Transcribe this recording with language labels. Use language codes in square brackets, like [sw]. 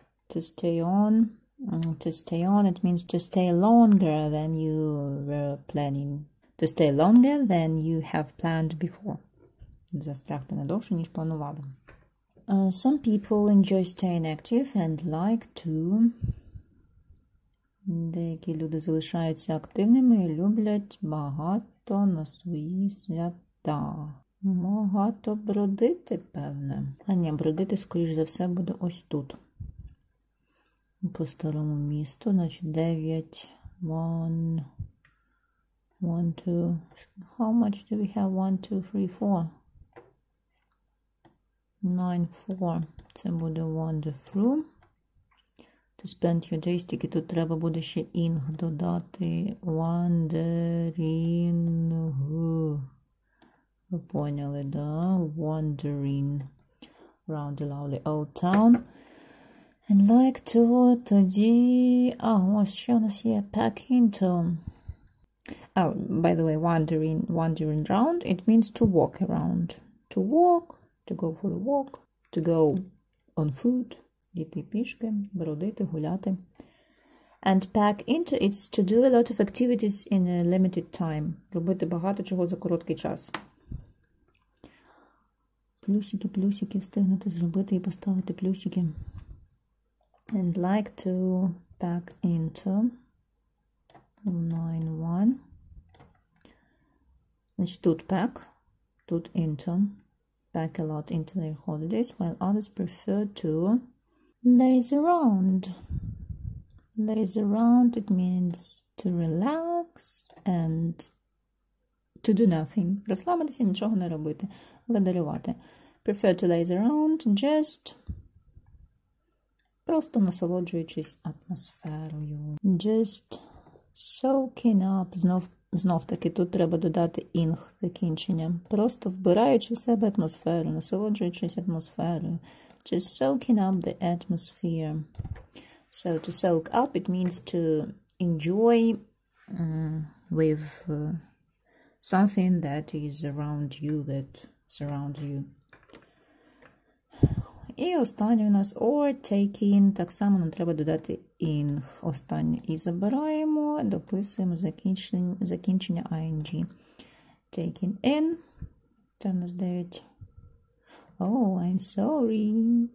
[en] To stay on, it means to stay longer than you were planning. To stay longer than you have planned before. [uk] Застрягти не довше, ніж планували. [en] Some people enjoy staying active and like to... [uk] Деякі люди залишаються активними і люблять багато на свої свята. Багато бродити, певне. А ні, бродити, скоріш за все, буде ось тут. По старому місту, значить, 9, 1, 2, [en] how much do we have? 1, 2, 3, 4. [uk] 9, 4. Це буде wonderful. [en] To spend your days, [uk] тільки тут треба буде ще ing додати. [en] Wandering. [uk] Ви поняли, да? [en] Wandering round the lovely old town. And like to, [uk] тоді... А, ось ще у нас є pack into. [en] Oh, by the way, wandering round, it means to walk around. To walk, to go for a walk, to go on foot. [uk] Йти пішки, бродити, гуляти. [en] And pack into, it's to do a lot of activities in a limited time. [uk] Робити багато чого за короткий час. Плюсики, встигнути зробити і поставити плюсики. [en] And like to pack into 9-1. [uk] Значить, тут [en] pack, тут into, pack a lot into their holidays, while others prefer to laze around, it means to relax and to do nothing. [uk] Розслабитися, нічого не робити, ладарювати. [en] Prefer to laze around, just [uk] просто насолоджуючись атмосферою. [en] Just soaking up, [uk] знов-таки, тут треба додати ing, закінчення. Просто вбираючи в себе атмосферу, насолоджуючись атмосферою. [en] Just soaking up the atmosphere. So, to soak up, it means to enjoy with something that is around you, that surrounds you. [uk] І останній у нас, [en] or take in, [uk] так само нам треба додати ing, останній, і забираємо. дописуємо закінчення ing. [en] Taken in. [uk] Це у нас 9. [en] Oh, I'm sorry.